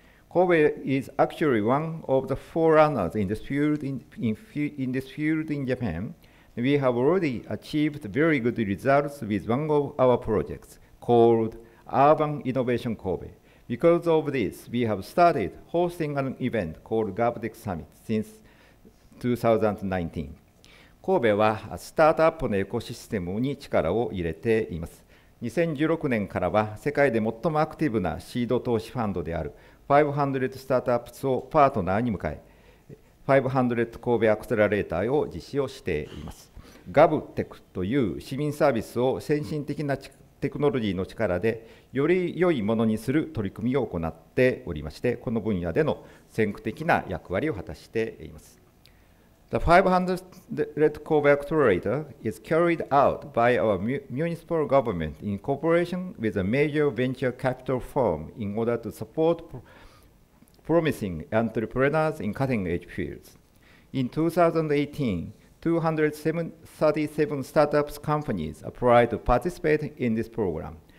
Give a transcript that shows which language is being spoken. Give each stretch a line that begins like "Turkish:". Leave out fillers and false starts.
English: Kobe is actually one of the forerunners in this field in Japan. We have already achieved very good results with one of our projects called Urban Innovation Kobe. Because of this, we have started hosting an event called GovTech Summit since 2019.
Japanese: Kobe はスタートアップのエコシステムに力を入れています。 2016年からは世界で最もアクティブなシード投資ファンドである500スタートアップスをパートナーに迎え、500神戸アクセラレーターを実施をしています。 GovTech という市民サービスを先進的なテクノロジーの力でより良いものにする取り組みを行っておりまして、この分野での先駆的な役割を果たしています。
English: The 500 Kobe Accelerator is carried out by our municipal government in cooperation with a major venture capital firm in order to support promising entrepreneurs in cutting-edge fields. In 2018, 237 startups companies applied to participate in this program.